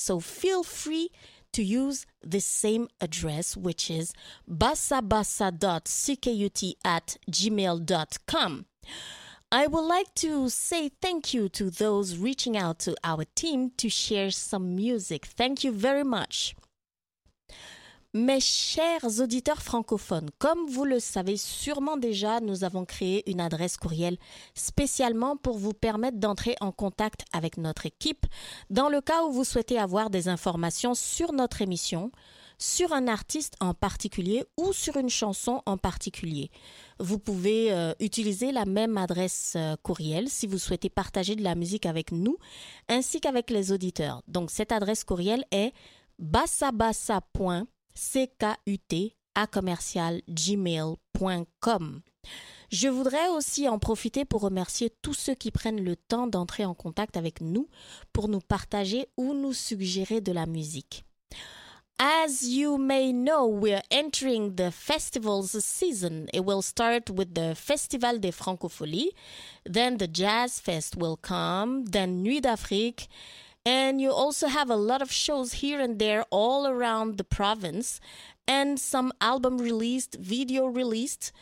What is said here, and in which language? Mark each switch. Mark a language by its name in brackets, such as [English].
[English] So feel free to use the same address, which is bassabassa.ckut@gmail.com. I would like to say thank you to those reaching out to our team to share some music. Thank you very much. [French] Mes chers auditeurs francophones, comme vous le savez sûrement déjà, nous avons créé une adresse courriel spécialement pour vous permettre d'entrer en contact avec notre équipe dans le cas où vous souhaitez avoir des informations sur notre émission, sur un artiste en particulier ou sur une chanson en particulier. Vous pouvez utiliser la même adresse courriel si vous souhaitez partager de la musique avec nous ainsi qu'avec les auditeurs. Donc cette adresse courriel est bassabassa.ckut@gmail.com. Je voudrais aussi en profiter pour remercier tous ceux qui prennent le temps d'entrer en contact avec nous pour nous partager ou nous suggérer de la musique. [English] As you may know, we are entering the festivals season. It will start with the Festival des Francopholies, then the Jazz Fest will come, then Nuit d'Afrique. And you also have a lot of shows here and there all around the province and some album released, video released.